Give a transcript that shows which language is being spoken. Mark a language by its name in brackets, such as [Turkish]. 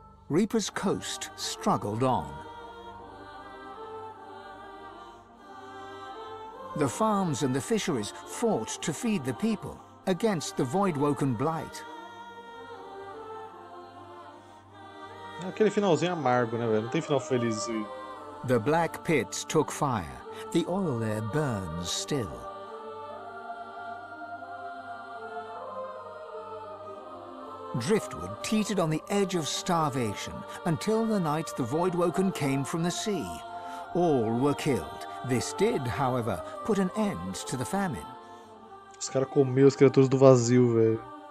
[English] Reaper's Coast struggled on. The farms and the fisheries fought to feed the people against the Voidwoken blight. [Portuguese] Aquele finalzinho amargo, né, velho? Não tem final feliz. [English] The black pits took fire. The oil there burns still. Driftwood teetered on the edge of starvation until the night the Voidwoken came from the sea. All were killed. This did, however, put an end to the famine. [Portuguese] Os caras comeu as criaturas do vazio, velho.